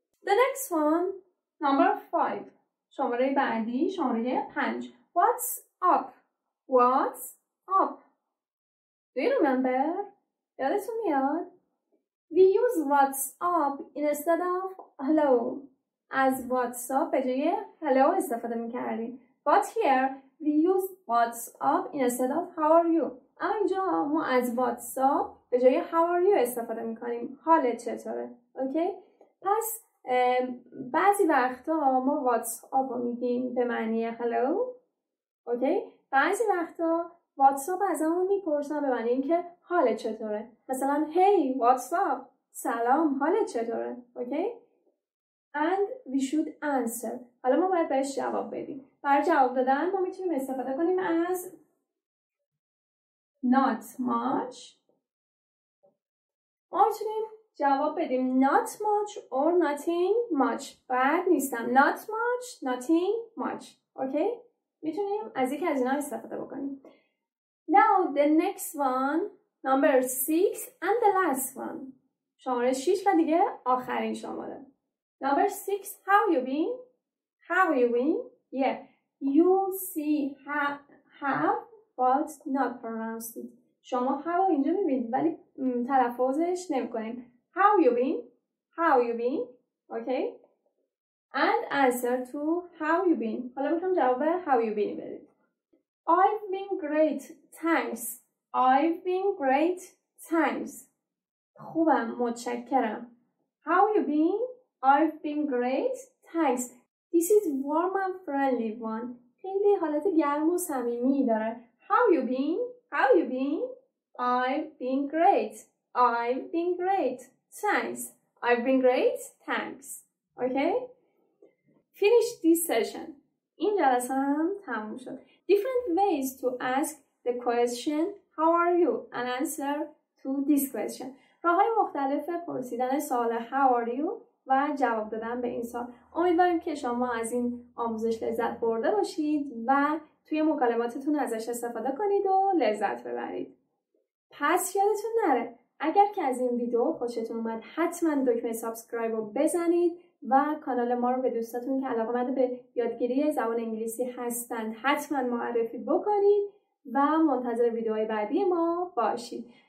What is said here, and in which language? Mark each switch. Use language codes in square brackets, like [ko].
[en] The next one, number 5. [fa] شماره بعدی, شماره 5. [en] What's up? What's up? Do you remember? [fa] یادتون میاد؟ [en] We use what's up instead of hello. [fa] از what's up به جای hello استفاده میکردیم. [en] But here we use what's up instead of how are you. [fa] اما اینجا ما از [en] what's up [fa] به جای [en] how are you [fa] استفاده میکنیم. حالت چطوره؟ Okay? پس بعضی وقتا ما what's up رو میگیم به معنی hello. Okay? بعضی وقتا واتساپ از همون میپرسن به معنی اینکه حالت چطوره. مثلا hey واتساپ سلام حالت چطوره. [en] Okay okay? And we should answer. [fa] حالا ما باید بهش جواب بدیم. برای جواب دادن ما میتونیم استفاده کنیم از [en] not much. [fa] ما میتونیم جواب بدیم [en] not much or nothing much. [fa] بد نیستم. [en] Not much, nothing much. Okay okay? [fa] میتونیم از یکی از اینا استفاده بکنیم. [en] Now the next one, number 6 and the last one. [fa] شماره 6 و دیگه آخرین شماره. [en] Number 6, how you been? How you been? Yeah, you see have but not pronounced. [fa] شما how اینجا میبینید ولی تلفظش نمی کنیم. [en] How you been? How you been? Okay. And answer to how you been. [fa] حالا میخوام جواب [en] how you been [fa] بدید. [en] I've been great, thanks. I've been great, thanks. [fa] خوبم, متشکرم. [en] How you been? I've been great, thanks. This is warm and friendly one. [fa] خیلی حالت گرم و صمیمی داره. [en] How you been? How you been? I've been great. I've been great, thanks. I've been great, thanks. Okay? Finish this session. [fa] این جلسه هم تموم شد. [en] Different ways to ask the question how are you and answer to this question. [fa] راه‌های مختلف پرسیدن سوال [en] how are you [fa] و جواب دادن به این سوال. امیدواریم که شما از این آموزش لذت برده باشید و توی مکالماتتون ازش استفاده کنید و لذت ببرید. پس یادتون نره اگر که از این ویدیو خوشتون اومد حتما دکمه سابسکرایب رو بزنید و کانال ما رو به دوستاتون که علاقه مند به یادگیری زبان انگلیسی هستند حتما معرفی بکنید و منتظر ویدیوهای بعدی ما باشید.